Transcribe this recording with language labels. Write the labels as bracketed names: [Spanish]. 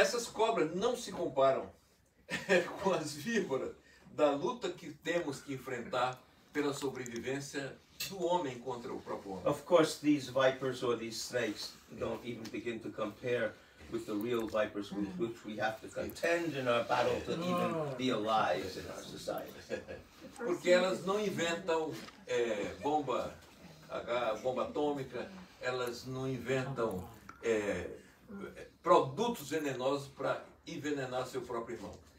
[Portuguese] Essas cobras não se comparam com as víboras da luta que temos que enfrentar pela sobrevivência do homem contra o próprio homem. [English] Of course, these vipers or these snakes don't even begin to compare with the real vipers with which we have to contend in our battle to even be alive in our society. [Portuguese] Porque elas não inventam bomba atômica, elas não inventam produtos venenosos para envenenar seu próprio irmão.